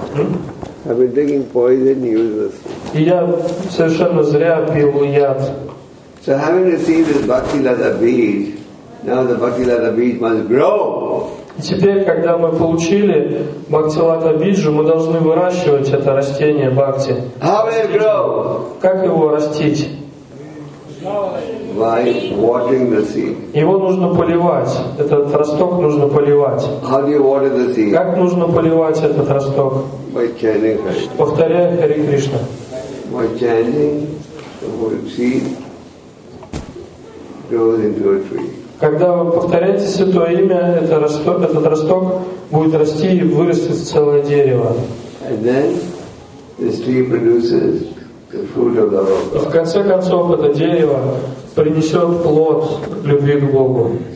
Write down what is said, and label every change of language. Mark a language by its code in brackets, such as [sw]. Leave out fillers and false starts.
[en] I've been drinking poison, useless. [ru] И я совершенно зря пил яд. [en] So having received this bhakti lata bead, now the bhakti lata bead must grow. [ru] И теперь, когда мы получили бхакти лата биджу, мы должны выращивать это растение бхакти. [en] How will it grow? [ru] Как его растить? [en] By watering the seed. [ru] Его нужно поливать. Этот росток нужно поливать. [en] How do you water the seed? [ru] Как нужно поливать этот росток? [en] By chanting. [ru] Повторяя Хари Кришна. [en] By chanting, the seed grows into a tree. [ru] Когда вы повторяете святое имя, этот росток будет расти и вырастет целое дерево. [en] And then this tree produces the fruit of the Lord. [ru] И в конце концов это дерево принесет плод любви к Богу.